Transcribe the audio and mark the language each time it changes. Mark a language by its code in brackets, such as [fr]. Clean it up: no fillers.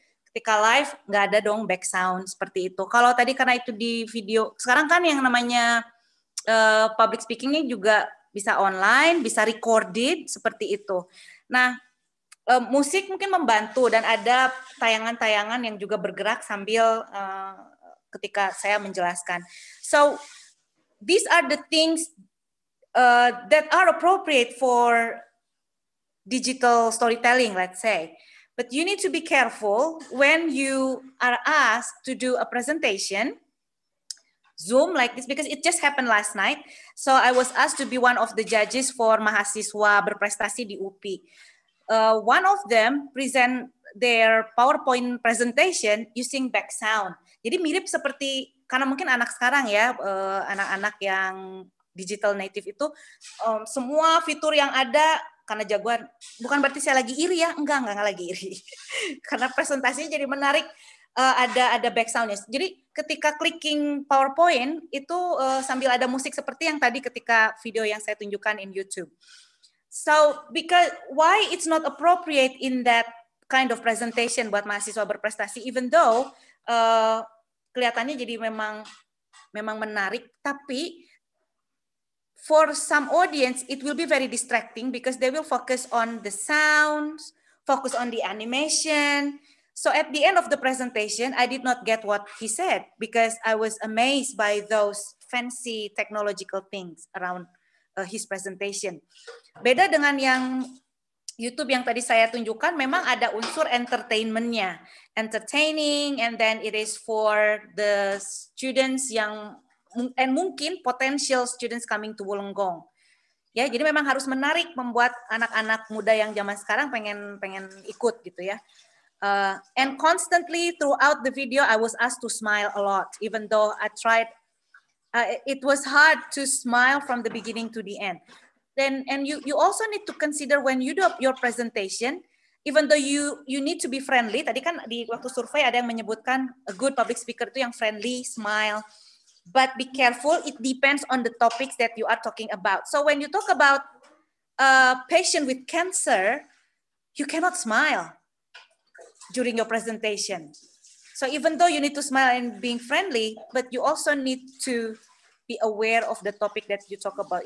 [id] Ketika live, nggak ada dong back sound seperti itu. Kalau tadi karena itu di video, sekarang kan yang namanya public speakingnya juga bisa online, bisa recorded seperti itu. Nah, musik mungkin membantu dan ada tayangan-tayangan yang juga bergerak sambil ketika saya menjelaskan. [en] So, these are the things that are appropriate for digital storytelling, let's say. But you need to be careful when you are asked to do a presentation Zoom like this, because it just happened last night. So I was asked to be one of the judges for [id] mahasiswa berprestasi di UPI. [en] One of them present their PowerPoint presentation using back sound. [id] Jadi mirip seperti, karena mungkin anak sekarang ya, anak-anak yang digital native itu, semua fitur yang ada, karena jagoan, bukan berarti saya lagi iri ya, enggak lagi iri. Karena presentasinya jadi menarik. Ada back soundnya. Jadi ketika clicking PowerPoint itu sambil ada musik seperti yang tadi ketika video yang saya tunjukkan [en] in YouTube. So because why it's not appropriate in that kind of presentation [id] buat mahasiswa berprestasi, [en] even though [id] kelihatannya jadi memang menarik, tapi [en] for some audience it will be very distracting because they will focus on the sounds, focus on the animation. So at the end of the presentation, I did not get what he said because I was amazed by those fancy technological things around his presentation. [id] Beda dengan yang YouTube yang tadi saya tunjukkan, memang ada unsur entertainment-nya. [en] Entertaining, and then it is for the students yang, and mungkin potential students coming to Wollongong. [id] Ya, jadi memang harus menarik membuat anak-anak muda yang zaman sekarang pengen ikut gitu ya. [en] And constantly throughout the video, I was asked to smile a lot, even though I tried. It was hard to smile from the beginning to the end. Then, and you also need to consider when you do your presentation, even though you need to be friendly. [id] Tadi kan di waktu survei ada yang menyebutkan [en] a good public speaker [id] itu yang friendly, smile. [en] But be careful. It depends on the topics that you are talking about. So when you talk about a patient with cancer, you cannot smile during your presentation. So even though you need to smile and being friendly, but you also need to be aware of the topic that you talk about.